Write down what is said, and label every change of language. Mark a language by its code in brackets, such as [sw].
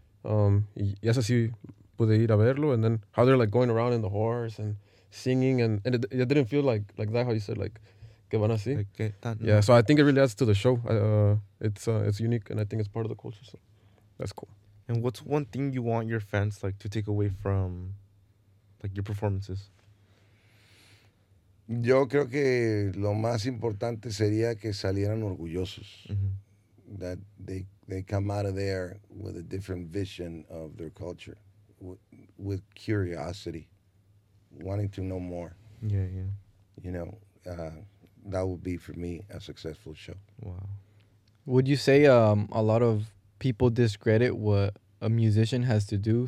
[es] Y eso sí pude ir a verlo, [en] and then how they're like going around in the horse and singing, and it didn't feel like that, how you said, like, [es] que van así. [en] Like, yeah, so I think it really adds to the show. It's unique, and I think it's part of the culture, so that's cool. And what's one thing you want your fans like to take away from like your performances? [es] Yo creo que lo más importante sería que salieran orgullosos. Mm-hmm. [en] That they come out of there with a different vision of their culture, with curiosity, wanting to know more. Yeah, yeah. You know, that would be, for me, a successful show. Wow. Would you say a lot of people discredit what a musician has to do?